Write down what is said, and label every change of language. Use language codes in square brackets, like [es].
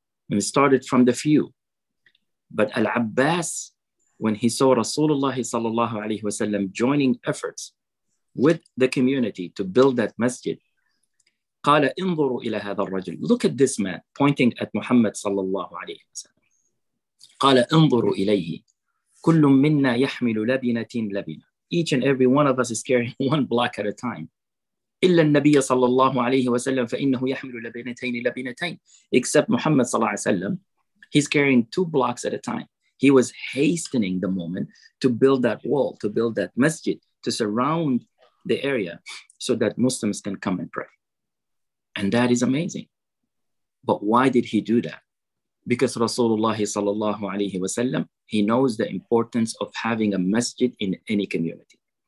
[en] And it started from the few. But Al-Abbas, when he saw Rasulullah sallallahu alayhi wasallam joining efforts with the community to build that masjid, [ar] قَالَ انظروا إلى هذا الرجل. [en] Look at this man pointing at Muhammad sallallahu alayhi wasallam. [ar] قَالَ انظروا إليه. كُلُّ مِنَّا يَحْمِلُ لَبِنَةٍ لَبِنَةٍ. [en] Each and every one of us is carrying one block at a time. [ar] إِلَّا النَّبِيَّ sallallahu alayhi wasallam فَإِنَّهُ يَحْمِلُ لَبِنَتَيْنِ لَبِنَتَيْنِ. [en] Except Muhammad sallallahu alayhi wasallam, he's carrying 2 blocks at a time. He was hastening the moment to build that wall, to build that masjid, to surround the area. so that Muslims can come and pray. And that is amazing. But why did he do that? Because Rasulullah sallallahu alayhi wa sallam, he knows the importance of having a masjid in any community.